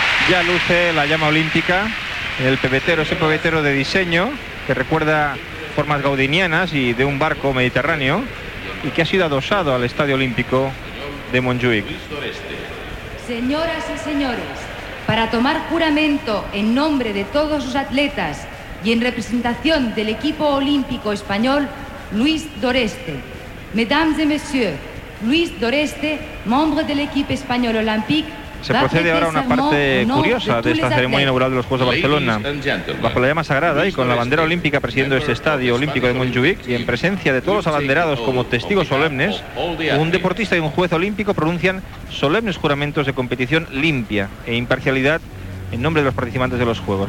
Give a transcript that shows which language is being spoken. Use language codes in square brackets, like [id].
[es] Ya luce la llama olímpica, el pebetero, ese pebetero de diseño que recuerda formas gaudinianas y de un barco mediterráneo y que ha sido adosado al Estadio Olímpico de Montjuïc. Señoras y señores, para tomar juramento en nombre de todos los atletas y en representación del equipo olímpico español, Luis Doreste. [fr] Mesdames et messieurs, Luis Doreste, membre de l'équipe espagnole olympique. [es] Se procede ahora a una parte curiosa de esta ceremonia inaugural de los Juegos de Barcelona. Bajo la llama sagrada y con la bandera olímpica presidiendo este estadio olímpico de Montjuïc y en presencia de todos los abanderados como testigos solemnes, un deportista y un juez olímpico pronuncian solemnes juramentos de competición limpia e imparcialidad en nombre de los participantes de los Juegos.